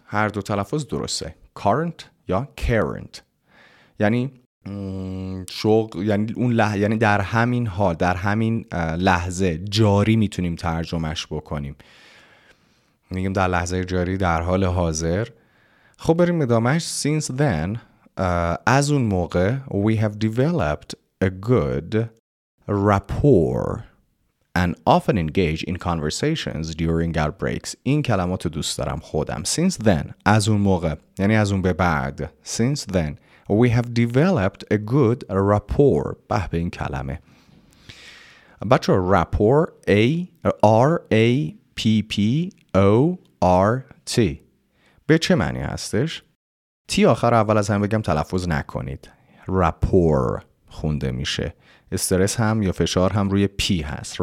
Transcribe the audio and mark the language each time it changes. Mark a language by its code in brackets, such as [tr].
[fa] هر دو تلفظ درسته. Current یا current. یعنی شغل، یعنی اون لحظه، یعنی در همین حال، در همین لحظه جاری میتونیم ترجمهش بکنیم، میگیم در لحظه جاری، در حال حاضر. خب بریم ادامهش. [en] Since then [fa] از اون موقع [en] we have developed a good rapport and often engage in conversations during our breaks. [fa] این کلمات رو دوست دارم خودم. [en] Since then [fa] از اون موقع، یعنی از اون به بعد. [en] Since then we have developed a good rapport. [fa] به این کلمه بچه ها، rapport، A-R-A-P-P-O-R-T به چه معنی هستش؟ تی آخر اول از هم بگم تلفظ نکنید، rapport خونده میشه، استرس هم یا فشار هم روی پی هست.